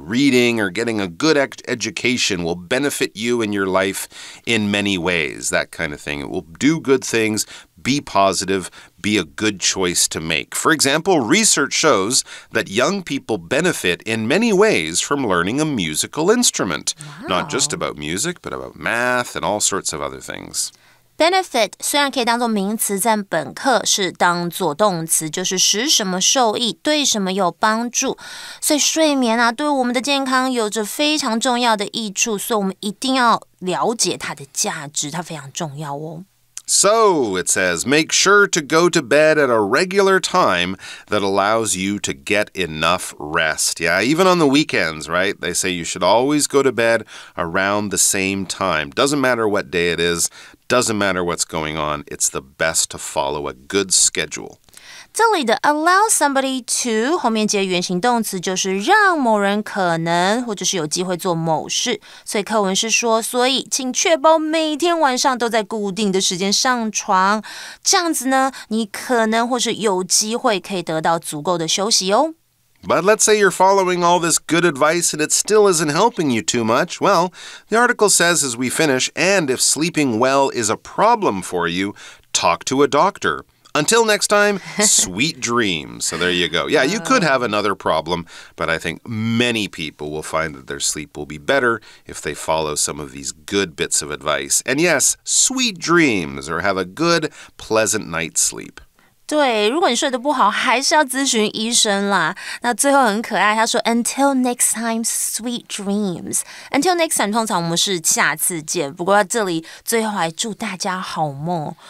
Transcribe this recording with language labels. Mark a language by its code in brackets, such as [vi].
[en] Reading or getting a good education will benefit you in your life in many ways, that kind of thing. It will do good things, be positive,be a good choice to make. For example, research shows that young people benefit in many ways from learning a musical instrument. Wow. Not just about music, but about math and all sorts of other things. [zh] Benefit 虽然可以当作名词在本课是当作动词就是使什么受益对什么有帮助。所以睡眠啊对我们的健康有着非常重要的益处所以我们一定要了解它的价值它非常重要哦。 [en] So, it says, make sure to go to bed at a regular time that allows you to get enough rest. Yeah, even on the weekends, right? They say you should always go to bed around the same time. Doesn't matter what day it is, doesn't matter what's going on, it's the best to follow a good schedule. [zh] 这里的 [en] allow somebody to [zh] 后面接原形动词就是让某人可能或者是有机会做某事所以课文是说所以请确保每天晚上都在固定的时间上床这样子呢你可能或是有机会可以得到足够的休息哦 [en] But let's say you're following all this good advice and it still isn't helping you too much. Well, the article says as we finish and if sleeping well is a problem for you talk to a doctorUntil next time, sweet dreams. So there you go. Yeah, you could have another problem, but I think many people will find that their sleep will be better if they follow some of these good bits of advice. And yes, sweet dreams, or have a good, pleasant night's sleep. [zh] 对，如果你睡得不好，还是要咨询医生啦。那最后很可爱，他说 [en] "Until next time, sweet dreams." Until next time， [zh] 通常我们是下次见。不过这里最后还祝大家好梦。